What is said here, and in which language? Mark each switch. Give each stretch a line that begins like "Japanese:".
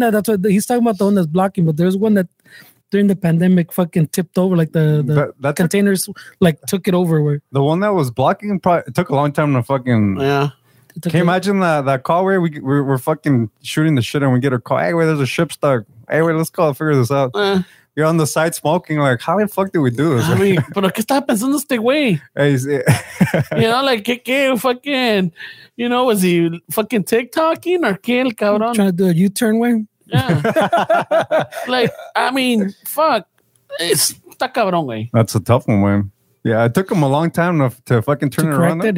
English: one that's what he's talking about, the one that's blocking, but there's one that during the pandemic fucking tipped over, like the containers took it over. Where the one that was blocking probably, it took a long time to fucking, yeah, can you imagine that call where we're fucking shooting the shit and we get a call, hey wait, there's a ship stuck, hey wait, let's go figure this out. you're on the side smoking, like, how the fuck did we do this? I mean,
Spanish: pero que está pensando este güey?
English: You know, like, que fucking, you know, was he fucking TikToking or
Spanish: que el cabrón?
English: Trying to do a U-turn way? Yeah. Like, I mean, fuck.
Spanish: Está cabrón, güey.
English: That's a tough one, man. Yeah, it took him a long time to fucking turn it around.